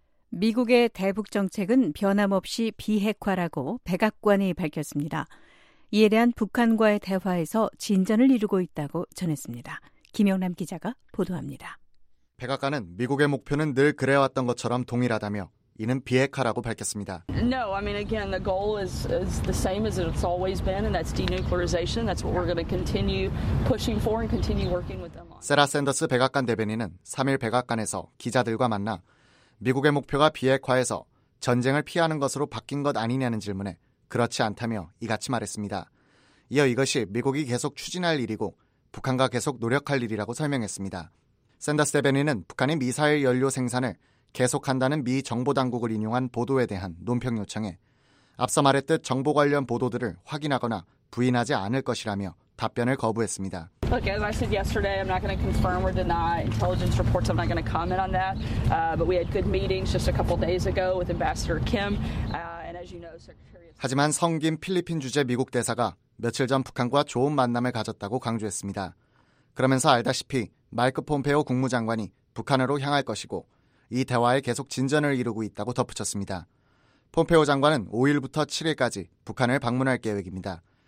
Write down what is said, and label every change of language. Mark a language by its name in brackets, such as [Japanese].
[Korean] 미국의 대북 정책은 변함없이 비핵화라고 백악관이 밝혔습니다. 이에 대한 북한과의 대화에서 진전을 이루고 있다고 전했습니다. 김영남 기자가 보도합니다. 백악관은 미국의 목표는 늘 그래왔던 것처럼 동일하다며 이는 비핵화라고 밝혔습니다. [English] No, I mean again the goal is the same as it's always been and that's denuclearization. That's what we're going to continue pushing for and continue working with them on. [Korean] 세라 샌더스 백악관 대변인은 3일 백악관에서 기자들과 만나 미국의 목표가 비핵화에서 전쟁을 피하는 것으로 바뀐 것 아니냐는 질문에 그렇지 않다며 이같이 말했습니다. 이어 이것이 미국이 계속 추진할 일이고 북한과 계속 노력할 일이라고 설명했습니다. 샌더스 대변인은 북한이 미사일 연료 생산을 계속한다는 미 정보당국을 인용한 보도에 대한 논평 요청에 앞서 말했듯 정보 관련 보도들을 확인하거나 부인하지 않을 것이라며 답변을 거부했습니다. [English] Look, as I said yesterday, I'm not going to confirm or deny intelligence reports. I'm not going to comment on that. But we had good meetings just a couple days ago with Ambassador Kim. And as you know, Secretary. [Korean] 하지만 성 김 필리핀 주재 미국 대사가 며칠 전 북한과 좋은 만남을 가졌다고 강조했습니다. 그러면서 알다시피 마이크 폼페이오 국무장관이 북한으로 향할 것이고 이 대화에 계속 진전을 이루고 있다고 덧붙였습니다. 폼페이오 장관은 5일부터 7일까지 북한을 방문할 계획입니다.